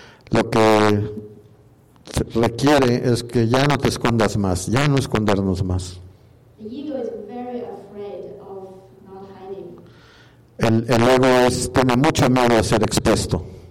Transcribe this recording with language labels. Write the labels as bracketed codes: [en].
[es] Lo que requiere es que ya no te escondas más, ya no escondernos más. [en] The ego is very afraid of not hiding. [es] El ego tiene mucho miedo a ser expuesto.